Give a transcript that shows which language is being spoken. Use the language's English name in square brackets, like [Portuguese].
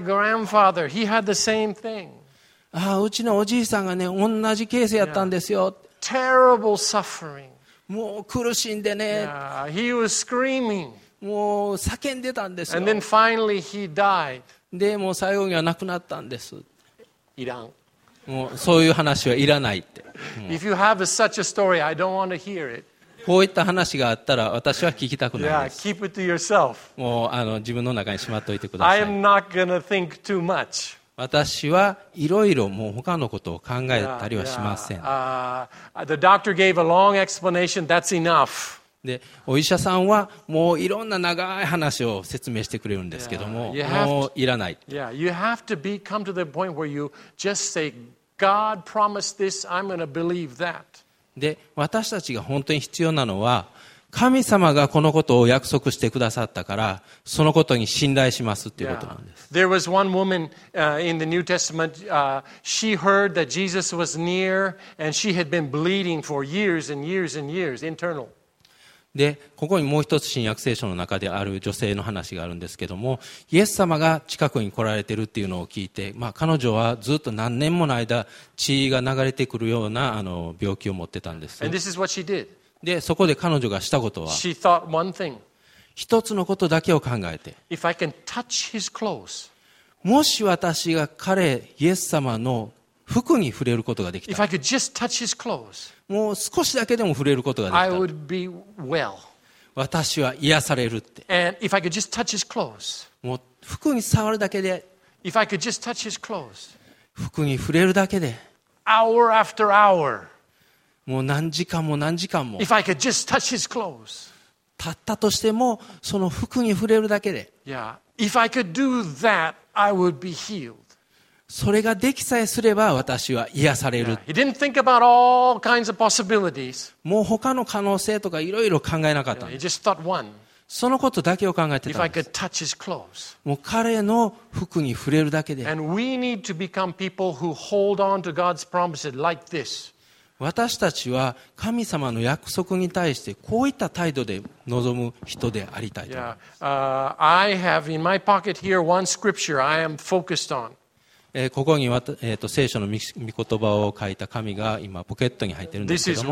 [English] Oh, my grandfather, he had the same thing. [Japanese] ああ、うちのおじいさんがね、同じケースやったんですよ。 [English] Terrible suffering. [Japanese] もう苦しんでね。 [English] He was screaming. [Japanese] もう叫んでたんですよ。 [English] And then finally he died. [Japanese] でも最後には亡くなったんです。いらん。もうそういう話はいらないって。 [English] If you have such a story, I don't want to hear it. [Japanese] こういった話があったら私は聞きたくないです。 [English] Yeah, keep it to yourself. [Japanese] もう自分の中にしまっておいてください。 [English] I am not going to think too much. [Japanese] 私はいろいろもう他のことを考えたりはしません。 [English] The doctor gave a long explanation. That's enough. [Japanese] でお医者さんはもういろんな長い話を説明してくれるんですけども、もういらない。 [English] Yeah, you have to be come to the point where you just say, God promised this, I'm going to believe that. [Japanese] で私たちが本当に必要なのは、神様がこのことを約束してくださったから、そのことに信頼しますということなんです。 [English] Yeah. There was one woman in the New Testament. She heard that Jesus was near, and she had been bleeding for years and years and years internal. [Japanese] でここにもう一つ新約聖書の中である女性の話があるんですけども、イエス様が近くに来られてるっていうのを聞いて、まあ、彼女はずっと何年もの間血が流れてくるような病気を持ってたんです。 [English] And this is what she did. [Japanese] でそこで彼女がしたことは、 [English] She thought one thing. [Japanese] 一つのことだけを考えて、 [English] If I can touch his clothes. [Japanese] もし私が彼イエス様の服に触れることができたら、 [English] If I could just touch his clothes. [Japanese] もう少しだけでも触れることができた、 [English] I would be well. [Japanese] 私は癒されるって。 [English] And if I could just touch his clothes. [Japanese] もう服に触るだけで、 [English] if I could just touch his clothes. [Japanese] 服に触れるだけで、 [English] hour after hour. [Japanese] もう何時間も何時間も、 [English] if I could just touch his clothes. [Japanese] たったとしてもその服に触れるだけで、 [English] yeah. if I could do that, I would be healed. [Japanese] それができさえすれば私は癒される。 [English] He didn't think about all kinds of possibilities. [Japanese] もう他の可能性とかいろいろ考えなかった。 [English] He just thought one. [Japanese] そのことだけを考えてたんです。 [English] If I could touch his clothes. [Japanese] もう彼の服に触れるだけで。 [English] And we need to become people who hold on to God's promises like this. [Japanese] 私たちは神様の約束に対してこういった態度で臨む人でありたいと思います。 [English] Yeah. I have in my pocket here one scripture I am focused on. [Japanese] ここに、聖書の御言葉を書いた紙が今ポケットに入っているんですけども、